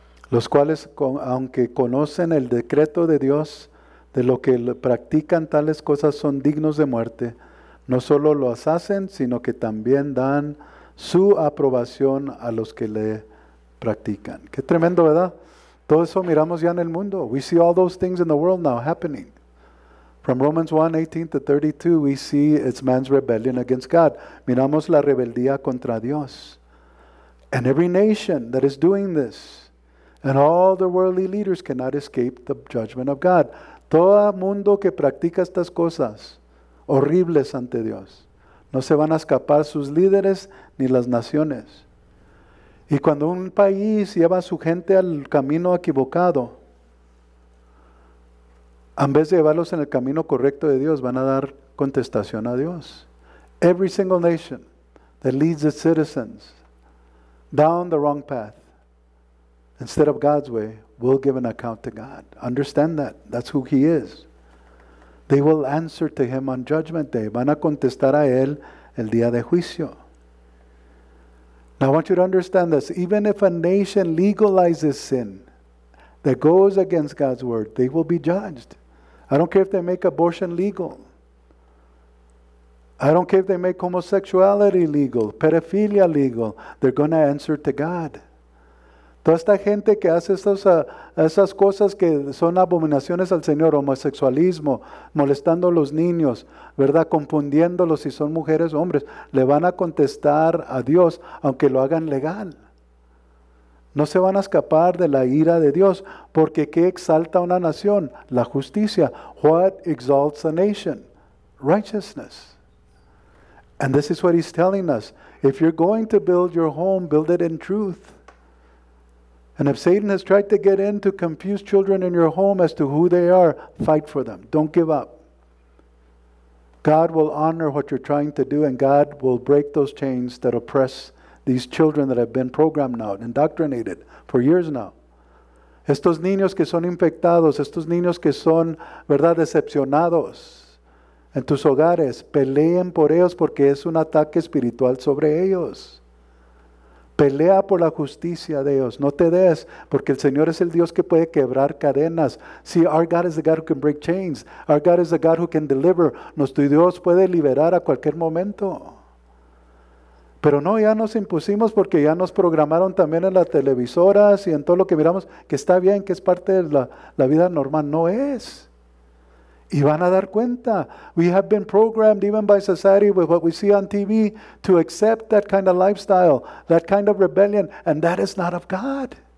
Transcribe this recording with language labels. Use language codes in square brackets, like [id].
[es] Los cuales, aunque conocen el decreto de Dios, de lo que practican tales cosas son dignos de muerte, no solo los hacen, sino que también dan su aprobación a los que le practican. Qué tremendo, ¿verdad? Todo eso miramos ya en el mundo. [en] We see all those things in the world now happening. From Romans 1:18-32, we see it's man's rebellion against God. [es] Miramos la rebeldía contra Dios. [en] And every nation that is doing this, and all the worldly leaders cannot escape the judgment of God. [es] Todo mundo que practica estas cosas horribles ante Dios, no se van a escapar sus líderes ni las naciones. Y cuando un país lleva a su gente al camino equivocado, en vez de llevarlos en el camino correcto de Dios, van a dar contestación a Dios. [en] Every single nation that leads its citizens down the wrong path instead of God's way will give an account to God. Understand that. That's who He is. They will answer to Him on Judgment Day. [es] Van a contestar a Él el día de juicio. [en] Now I want you to understand this. Even if a nation legalizes sin that goes against God's word, they will be judged. I don't care if they make abortion legal. I don't care if they make homosexuality legal, pedophilia legal. They're going to answer to God. [es] Toda esta gente que hace esas cosas que son abominaciones al Señor, homosexualismo, molestando a los niños, ¿verdad? Confundiéndolos si son mujeres o hombres, le van a contestar a Dios, aunque lo hagan legal. No se van a escapar de la ira de Dios, porque ¿qué exalta a una nación? La justicia. [en] What exalts a nation? Righteousness. And this is what he's telling us. If you're going to build your home, build it in truth. And if Satan has tried to get in to confuse children in your home as to who they are, fight for them. Don't give up. God will honor what you're trying to do, and God will break those chains that oppress these children that have been programmed now, indoctrinated for years now. [es] Estos niños que son infectados, estos niños que son, verdad, decepcionados en tus hogares, peleen por ellos porque es un ataque espiritual sobre ellos. Pelea por la justicia de Dios. No te des, porque el Señor es el Dios que puede quebrar cadenas. [en] See, our God is the God who can break chains. Our God is the God who can deliver. [es] Nuestro Dios puede liberar a cualquier momento. Pero no, ya nos impusimos porque ya nos programaron también en las televisoras y en todo lo que miramos, que está bien, que es parte de la vida normal. No es. Y van a dar cuenta. [en] We have been programmed even by society with what we see on TV to accept that kind of lifestyle, that kind of rebellion, and that is not of God.